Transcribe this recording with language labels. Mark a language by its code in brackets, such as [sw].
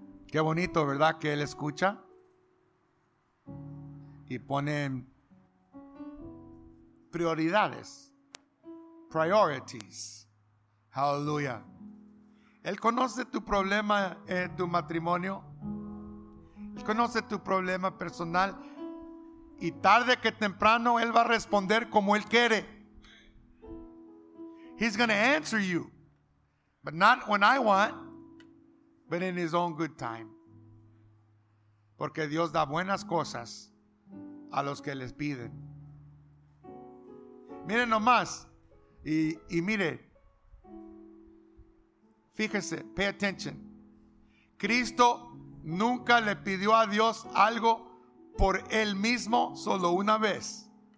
[es] Qué bonito, ¿verdad? Que Él escucha y pone prioridades, priorities. Hallelujah. Él conoce tu problema en tu matrimonio. Él conoce tu problema personal. Y tarde que temprano, Él va a responder como Él quiere. [en] He's going to answer you. But not when I want, but in His own good time. [es] Porque Dios da buenas cosas a los que les piden. Miren nomás. Y mire. Fíjese, pay attention. Cristo nunca le pidió a Dios algo por él mismo solo una vez.